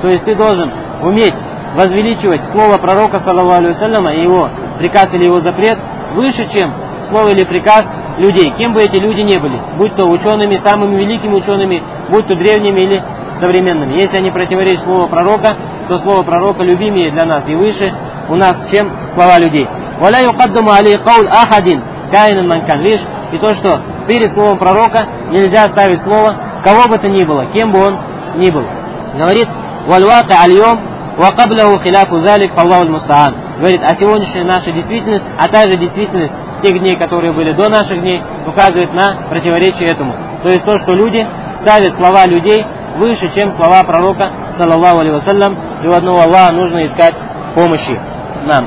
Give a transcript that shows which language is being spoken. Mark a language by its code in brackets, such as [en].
[ru] То есть ты должен уметь возвеличивать слово пророка, саллаллаху алейхи ва саллям, и его приказ или его запрет выше, чем слово или приказ людей, кем бы эти люди ни были, будь то учеными, самыми великими учеными, будь то древними или современными. Если они противоречат слову пророка, то слово пророка любимее для нас и выше у нас, чем слова людей. [ar] وَلَا يُقَدَّمُ عَلَيْهِ قَوْلْ أَحَدٍ كَائِنًا مَنْ كَانْ. [ru] Видишь, и то, что перед словом пророка нельзя ставить слово, кого бы то ни было, кем бы он ни был. [ar] Говорит, وَالْوَاقِ عَلْيَوْمْ وَقَبْلَهُ خِلَافُ ذَلِكْ فَاللَّهُ الْمُسْتَعَانُ. [ru] Говорит, а сегодняшняя наша действительность, а также действительность тех дней, которые были до наших дней, указывает на противоречие этому. То есть то, что люди ставят слова людей выше, чем слова пророка, саллаллаху алейхи ва саллям, и у одного Аллаха нужно искать помощи. Нам.